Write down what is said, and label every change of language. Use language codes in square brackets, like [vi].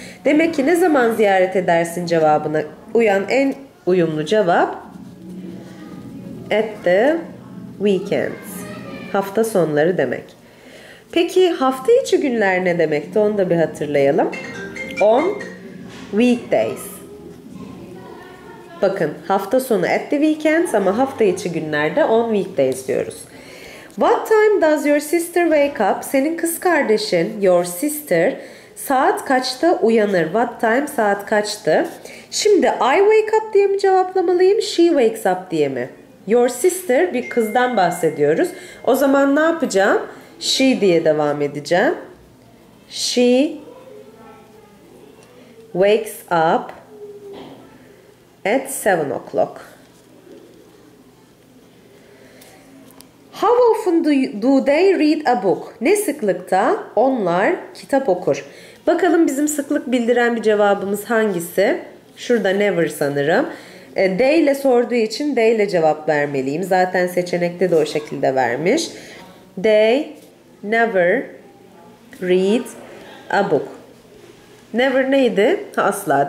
[tr] Demek ki ne zaman ziyaret edersin cevabına uyan en uyumlu cevap [en] at the weekends. [tr] Hafta sonları demek. Peki hafta içi günler ne demekti? Onu da bir hatırlayalım. [en] On weekdays. [tr] Bakın hafta sonu [en] at the weekends [tr] ama hafta içi günlerde [en] on weekdays [tr] diyoruz. [en] What time does your sister wake up? [tr] Senin kız kardeşin, [en] your sister, [tr] saat kaçta uyanır? [en] What time, [tr] saat kaçtı? Şimdi [en] I wake up [tr] diye mi cevaplamalıyım? [en] She wakes up [tr] diye mi? [en] Your sister, [tr] bir kızdan bahsediyoruz. O zaman ne yapacağım? She diye devam edeceğim. [en] She wakes up at 7 o'clock. How often do they read a book? [tr] Ne sıklıkta onlar kitap okur? Bakalım bizim sıklık bildiren bir cevabımız hangisi? Şurada never sanırım. They ile sorduğu için they ile cevap vermeliyim. Zaten seçenekte de o şekilde vermiş. [en] They never read a book. [tr] Never neydi? Asla.